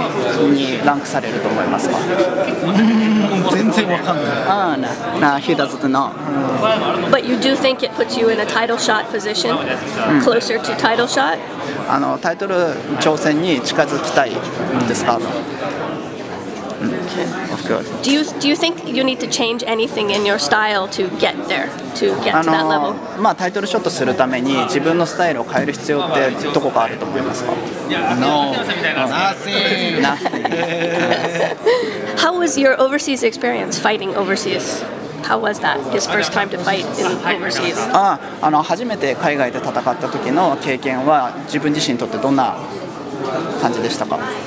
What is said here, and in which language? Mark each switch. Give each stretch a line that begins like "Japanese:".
Japanese: あのこの試合に勝った後にどのくらいランキングで維持にランクされると思いますか? 全然わかんない。
English: He doesn't know. But you do think it puts you in a title shot position, closer to title shot?
Japanese: タイトル挑戦に近づきたいですか?
English: Do you think you need to change anything in your style to get there, to get to that level?
Japanese: タイトルショットするために自分のスタイルを変える必要ってどこかあると思いますか?
English: No, nothing. How was your overseas experience fighting overseas? How was that? His first time to fight in overseas?
Japanese: あの、初めて海外で戦った時の経験は自分自身にとってどんな感じでしたか?